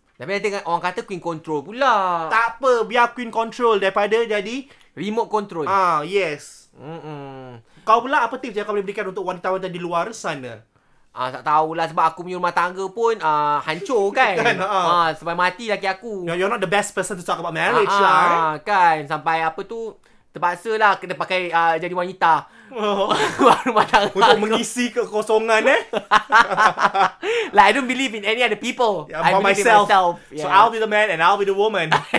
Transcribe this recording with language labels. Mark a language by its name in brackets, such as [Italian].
[Malay] Tapi nanti orang kata queen control pula. Tak apa. Biar queen control daripada jadi... remote control. [English] Yes. [Malay] Kau pula apa tips yang kau boleh berikan untuk wanita-wanita di luar sana? Tak tahulah sebab aku punya rumah tangga pun hancur kan. Sampai mati laki aku. [English] You're not the best person to talk about marriage lah. [Malay] Kan. Sampai apa tu, terpaksa lah kena pakai jadi wanita. Rumah tangga. Untuk mengisi kekosongan eh. [English] Like, I don't believe in any other people. Yeah, I believe myself. In myself. Yeah. So I'll be the man and I'll be the woman.